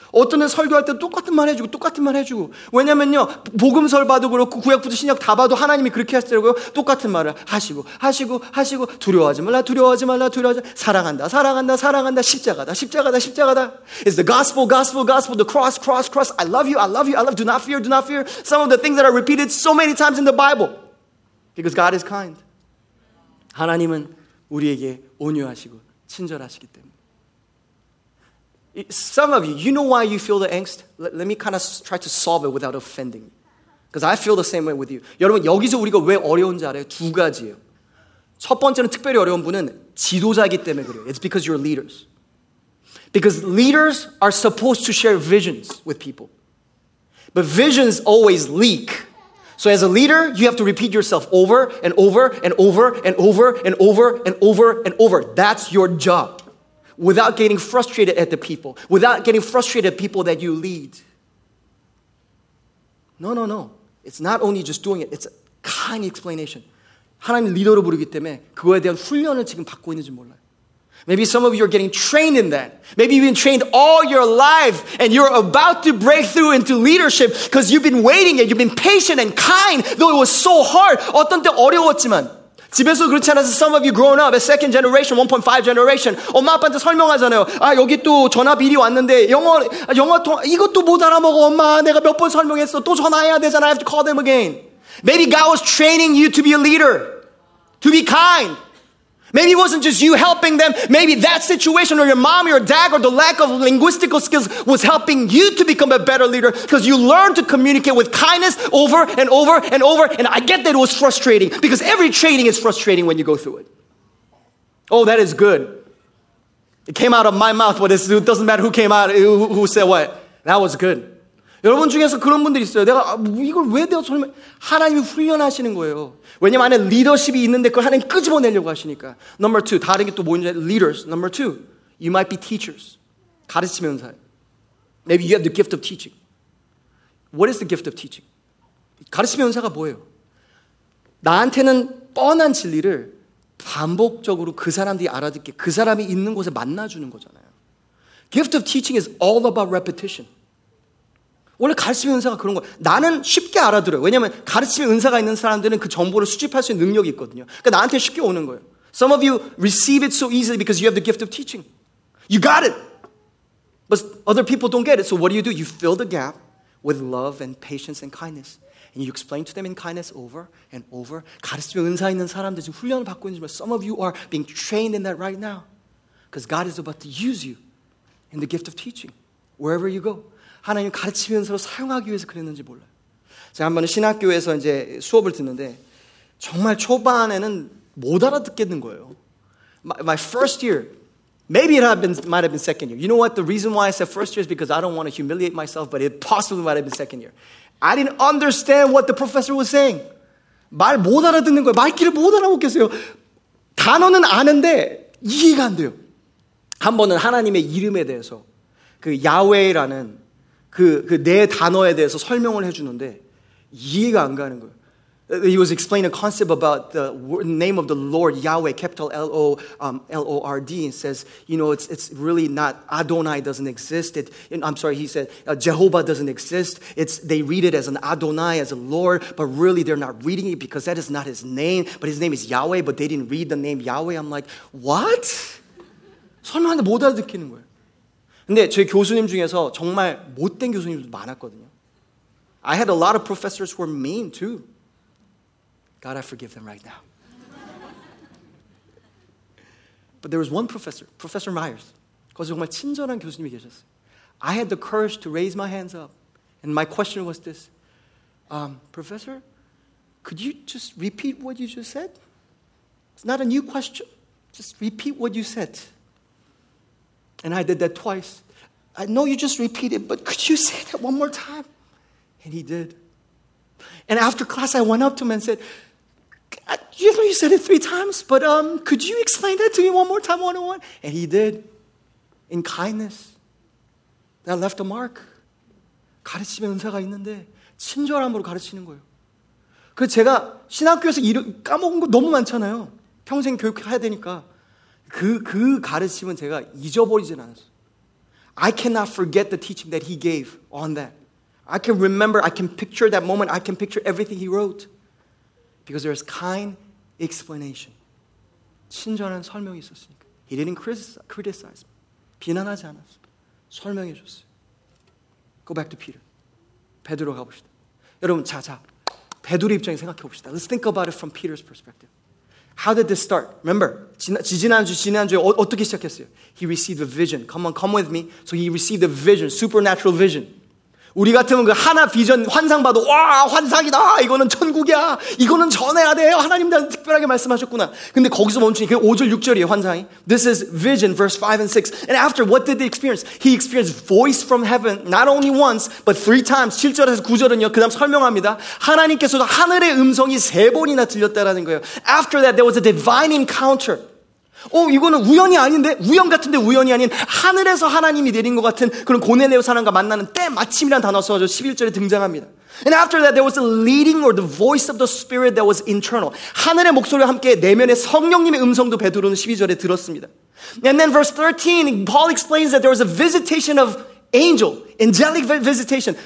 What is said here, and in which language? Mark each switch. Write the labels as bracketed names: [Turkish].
[Korean] 어떤 애 설교할 때 똑같은 말 해주고, 똑같은 말 해주고. 왜냐면요, 복음서를 봐도 그렇고, 구약부터 신약 다 봐도 하나님이 그렇게 하시더라고요. 똑같은 말을 하시고, 하시고, 하시고, 두려워하지 말라, 두려워하지 말라, 두려워하지 말라. 사랑한다, 사랑한다, 사랑한다, 십자가다, 십자가다, 십자가다. [English] It's the gospel, gospel, gospel, the cross, cross, cross. I love you, I love you, I love you. Do not fear, do not fear. Some of the things that are repeated so many times in the Bible. Because God is kind. [Korean] 하나님은 우리에게 온유하시고 친절하시기 때문에. [English] Some of you, you know why you feel the angst? Let me kind of try to solve it without offending you. Because I feel the same way with you. [Korean] 여러분, 여기서 우리가 왜 어려운지 알아요? 두 가지예요. 첫 번째는 특별히 어려운 분은 지도자이기 때문에 그래요. [English] It's because you're leaders. Because leaders are supposed to share visions with people. But visions always leak. So as a leader, you have to repeat yourself over and over and over and over and over and over and over. That's your job. Without getting frustrated at the people. Without getting frustrated at people that you lead. No, no, no. It's not only just doing it. It's a kind explanation. [Korean] 하나님 리더로 부르기 때문에 그거에 대한 훈련을 지금 받고 있는지 몰라요. [English] Maybe some of you are getting trained in that. Maybe you've been trained all your life and you're about to break through into leadership because you've been waiting and you've been patient and kind though it was so hard. [Korean] 어떤 때 어려웠지만 집에서 그렇지 않아서 [English] some of you growing up a second generation, 1.5 generation [Korean] 엄마 아빠한테 설명하잖아요. 아 여기 또 전화 비리 왔는데 영어 통화 이것도 못 알아먹어 엄마 내가 몇 번 설명했어 또 전화해야 되잖아 [English] I have to call them again. Maybe God was training you to be a leader. To be kind. Maybe it wasn't just you helping them. Maybe that situation or your mom, your dad, or the lack of linguistical skills was helping you to become a better leader because you learned to communicate with kindness over and over and over. And I get that it was frustrating because every training is frustrating when you go through it. Oh, that is good. It came out of my mouth, but it doesn't matter who came out, who said what. That was good. [Korean] 여러분 중에서 그런 분들 있어요. 내가 이걸 왜 내가 설명? 하나님이 훈련하시는 거예요. 왜냐면 안에 리더십이 있는데 그걸 하나님 끄집어내려고 하시니까. [English] Number two, [Korean] 다른 게 또 뭐냐? [English] Leaders. Number two, you might be teachers. [Korean] 가르치면서. [English] Maybe you have the gift of teaching. What is the gift of teaching? [Korean] 가르치면서가 뭐예요? 나한테는 뻔한 진리를 반복적으로 그 사람들이 알아듣게 그 사람이 있는 곳에 만나주는 거잖아요. [English] Gift of teaching is all about repetition. [Korean] 원래 가르침의 은사가 그런 거예요. 나는 쉽게 알아들어요. 왜냐하면 가르침의 은사가 있는 사람들은 그 정보를 수집할 수 있는 능력이 있거든요. 그러니까 나한테 쉽게 오는 거예요. [English] Some of you receive it so easily because you have the gift of teaching. You got it. But other people don't get it. So what do? You fill the gap with love and patience and kindness. And you explain to them in kindness over and over. [Korean] 가르침의 은사 있는 사람들 지금 훈련을 받고 있는지만 [English] some of you are being trained in that right now. Because God is about to use you in the gift of teaching. Wherever you go. [Korean] 하나님 가르치면서 사용하기 위해서 그랬는지 몰라요. 제가 한번 신학교에서 이제 수업을 듣는데 정말 초반에는 못 알아듣겠는 거예요. [English] My first year, maybe it might have been second year. You know what? The reason why I said first year is because I don't want to humiliate myself, but it possibly might have been second year. I didn't understand what the professor was saying. [Korean] 말 못 알아듣는 거예요. 말귀를 못 알아듣겠어요. 단어는 아는데 이해가 안 돼요. 한 번은 하나님의 이름에 대해서 그 야웨이라는 그 네 단어에 대해서 설명을 해주는데 이해가 안 가는 거예요. [English] He was explaining a concept about the name of the Lord, Yahweh, capital L-O-R-D, and says, you know, it's really not, Adonai doesn't exist. Jehovah doesn't exist. They read it as an Adonai, as a Lord, but really they're not reading it because that is not his name, but his name is Yahweh, but they didn't read the name Yahweh. I'm like, what? [Korean] 설명하는데 못 알아듣기는 거예요. 근데 제 교수님 중에서 정말 못된 교수님도 많았거든요. [English] I had a lot of professors who were mean too. God, I forgive them right now. But there was one professor, Professor Myers. [Korean] 거기서 정말 친절한 교수님이 계셨어요. [English] I had the courage to raise my hands up. And my question was this. Professor, could you just repeat what you just said? It's not a new question. Just repeat what you said. And I did that twice. I know you just repeated, but could you say that one more time? And he did. And after class, I went up to him and said, you know, you said it three times, but could you explain that to me one more time, 101? And he did, in kindness. That left a mark. [Korean] 가르침의 은사가 있는데 친절함으로 가르치는 거예요. 그 제가 신학교에서 까먹은 거 너무 많잖아요. 평생 교육해야 되니까. 그 가르침은 제가 잊어버리진 않았어요. [English] I cannot forget the teaching that he gave on that. I can remember, I can picture that moment, I can picture everything he wrote. Because there is kind explanation. [Korean] 친절한 설명이 있었으니까. [English] He didn't criticize me. [Korean] 비난하지 않았어. 설명해 줬어요. [English] Go back to Peter. [Korean] 베드로 가봅시다. 여러분, 자. 베드로 입장에 생각해 봅시다. [English] Let's think about it from Peter's perspective. How did this start? Remember, [Korean] 지난주에 어떻게 시작했어요? [English] He received a vision. Come on, come with me. So he received a vision, supernatural vision. [Korean] 우리 같으면 그 하나 비전 환상 봐도 와 환상이다 이거는 천국이야 이거는 전해야 돼요 하나님한테 특별하게 말씀하셨구나 근데 거기서 멈추니 그 5절 6절이에요 환상이 [English] This is vision verse 5 and 6 And after what did they experience? He experienced voice from heaven not only once but three times [Korean] 7절에서 9절은요 그 다음 설명합니다 하나님께서도 하늘의 음성이 세 번이나 들렸다라는 거예요 [English] After that there was a divine encounter [Korean] 이거는 우연이 아닌데 우연 같은데 우연이 아닌 하늘에서 하나님이 내린 것 같은 그런 고넬레오 사람과 만나는 때마침이라는 단어 써서 11절에 등장합니다 [English] And after that there was a leading or the voice of the spirit that was internal [Korean] 하늘의 목소리와 함께 내면의 성령님의 음성도 베드로는 12절에 들었습니다 [English] And then verse 13 Paul explains that there was a visitation of angel angelic visitation